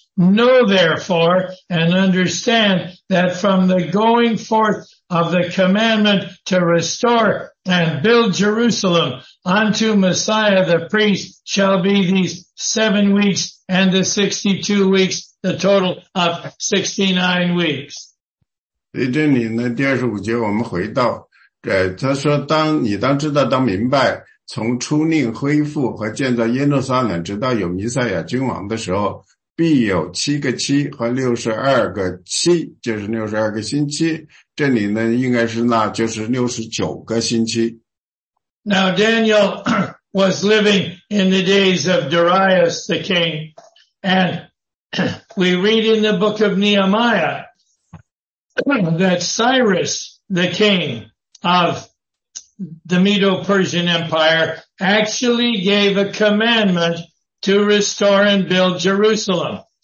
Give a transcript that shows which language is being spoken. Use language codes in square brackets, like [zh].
[en] Know therefore and understand that from the going forth of the commandment to restore and build Jerusalem unto Messiah the priest shall be these 7 weeks and the 62 weeks, the total of 69 weeks. [zh] 这里呢第二十五节我们回到，他说你当知道当明白，从出令恢复和建造耶路撒冷直到有弥赛亚君王的时候，必有7个7和62个7，就是62个星期。这里呢应该是那就是69个星期。 [en] Now Daniel was living in the days of Darius the king, and we read in the book of Nehemiah that Cyrus the king of the Medo-Persian Empire actually gave a commandment to restore and build Jerusalem.